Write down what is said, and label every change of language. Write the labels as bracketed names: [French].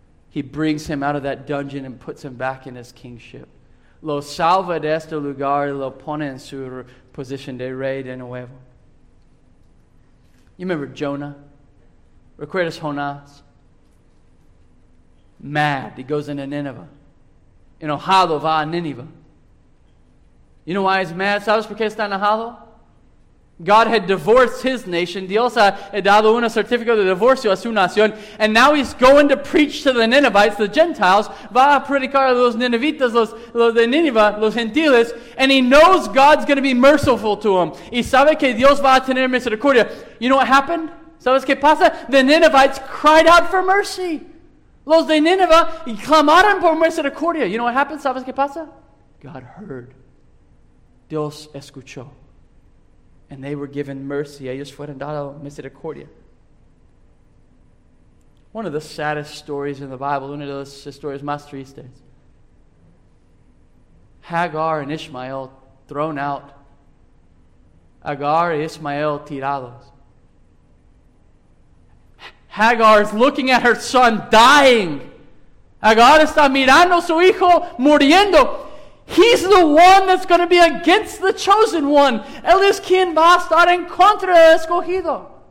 [English] He brings him out of that dungeon and puts him back in his kingship. [Spanish] Lo salva de este lugar y lo pone en su posición de rey de nuevo. [English] You remember Jonah? [Spanish] Recuerdas Jonás? [English] Mad. He goes into Nineveh. [Spanish] Enojado va a Nineveh. [English] You know why he's mad? [Spanish] ¿Sabes por qué está enojado? [English] God had divorced his nation. [Spanish] Dios ha dado un certificado de divorcio a su nación. [English] And now he's going to preach to the Ninevites, the Gentiles. [Spanish] Va a predicar a los Ninevitas, los de Nineveh, los gentiles. [English] And he knows God's going to be merciful to them. [Spanish] Y sabe que Dios va a tener misericordia. [English] You know what happened? [Spanish] ¿Sabes qué pasa? [English] The Ninevites cried out for mercy. [Spanish] Los de Nineveh clamaron por misericordia. [English] You know what happened? [Spanish] ¿Sabes qué pasa? [English] God heard. [Spanish] Dios escuchó. [English] And they were given mercy. [Spanish] Ellos fueron dado misericordia. [English] One of the saddest stories in the Bible, one of those stories [Spanish] más tristes. [English] Hagar and Ishmael thrown out. [Spanish] Hagar y Ishmael tirados. [English] Hagar is looking at her son dying. [Spanish] Hagar está mirando su hijo muriendo. [English] He's the one that's going to be against the chosen one. [Spanish] Él es quien va a estar en contra del escogido.